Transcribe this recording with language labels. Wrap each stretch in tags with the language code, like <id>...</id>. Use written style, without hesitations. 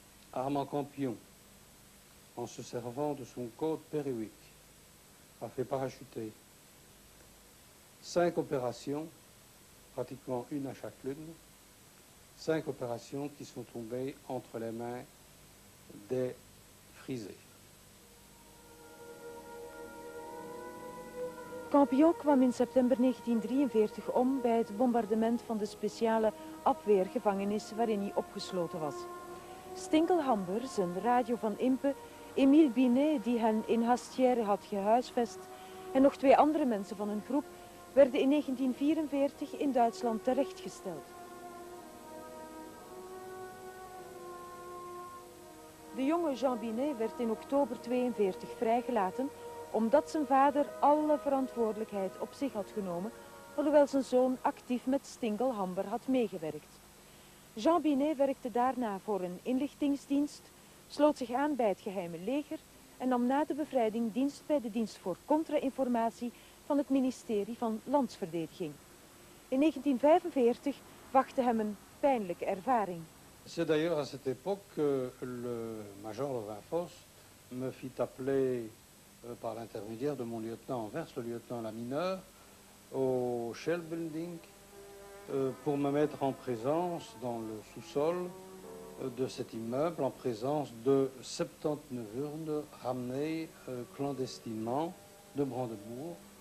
<fr>Armand Campion, en se servant de son code Perewick, a fait parachuter 5 opérations, pratiquement une à chaque lune, 5 opérations qui sont tombées entre les mains des frisés.</fr> <nl>Campion kwam in september 1943 om bij het bombardement van de speciale afweergevangenis waarin hij opgesloten was. Stinkel Hamber, zijn radio van Impe, Emile Binet, die hen in Hastière had gehuisvest, en nog 2 andere mensen van hun groep, werden in 1944 in Duitsland terechtgesteld. De jonge Jean Binet werd in oktober 1942 vrijgelaten, omdat zijn vader alle verantwoordelijkheid op zich had genomen, alhoewel zijn zoon actief met Stinkel Hamber had meegewerkt. Jean Binet werkte daarna voor een inlichtingsdienst, sloot zich aan bij het geheime leger en nam na de bevrijding dienst bij de dienst voor contra-informatie van het ministerie van Landsverdediging. In 1945 wachtte hem een pijnlijke ervaring.</nl> <fr>C'est d'ailleurs à cette époque que le major Levin Fosse me fit appeler par l'intermédiaire de mon lieutenant Anvers, le lieutenant Lamineur, au Shell Building pour me mettre en présence dans le sous-sol de cet immeuble en présence de 79 urnes ramenées clandestinement de Brandebourg.</fr>